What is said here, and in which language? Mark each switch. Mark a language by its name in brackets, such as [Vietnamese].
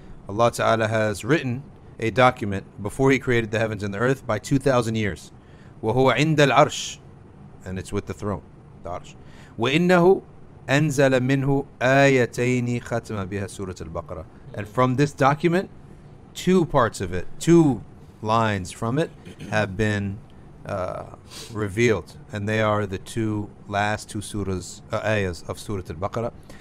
[English] Allah ta'ala has written a document before he created the heavens and the earth by 2000 years. [Arabic] Wa huwa 'inda al-'arsh, [English] and it's with the throne, the arsh. [Arabic] Wa innahu أنزل منه آيتين ختم بها سورة البقرة. [English] And from this document, two parts of it, two lines from it, have been revealed, and they are the two last two surahs, ayahs of سورة البقرة.